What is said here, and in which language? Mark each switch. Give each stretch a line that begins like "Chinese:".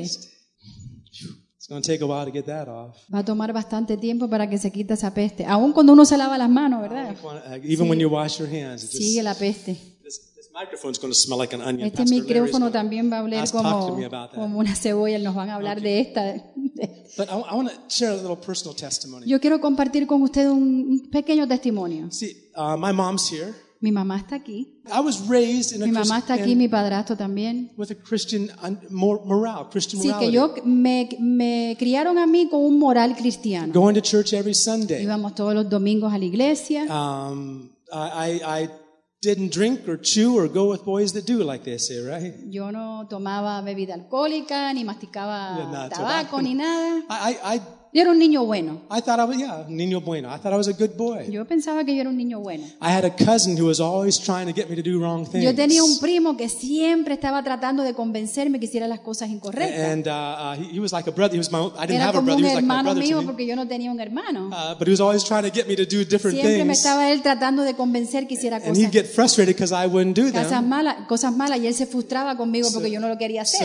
English: It's going to take a while to get that off.
Spanish: Va a tomar bastante tiempo para que se quite esa peste. Aún cuando uno se lava las manos, ¿verdad?
English: Even when you wash your hands, it just,
Spanish: sigue la peste.
English: This microphone is going to smell like an onion.
Spanish: Este micrófono también va a oler como una cebolla. Nos van a hablar de esta.
English: But I want to share a little personal testimony.
Spanish: Yo quiero compartir con usted un pequeño testimonio.
English: See, my mom's here.
Spanish: Mi mamá está aquí.
English: I was raised in
Spanish: mi mamá está aquí, mi padrastro también.
English: With a Christian moral, Christian
Spanish: sí, que
English: morality.
Spanish: Yo me criaron a mí con un moral cristiano.
English: Going to church every Sunday.
Spanish: Íbamos todos los domingos a la iglesia.
English: I didn't drink or chew or go with boys that do, like they say, right?
Spanish: Yo no tomaba bebida alcohólica ni masticaba tabaco ni nada. Yo era un niño bueno.
English: I thought I was a good boy.
Spanish: Yo pensaba que yo era un niño bueno.
English: I had a cousin who was always trying to get me to do wrong things.
Spanish: Yo tenía un primo que siempre estaba tratando de convencerme que hiciera las cosas incorrectas.
English: And he was like a brother. He was my own. I didn't
Spanish: era
English: have a brother. He was like my brother
Spanish: mío
English: to me.
Spanish: Porque yo no tenía un hermano.
English: But he was always trying to get me to do different
Spanish: siempre Siempre me estaba él tratando de convencer que hiciera cosas.
English: And he'd get frustrated because I wouldn't do them.
Spanish: Cosas malas y él se frustraba conmigo porque yo no lo quería hacer.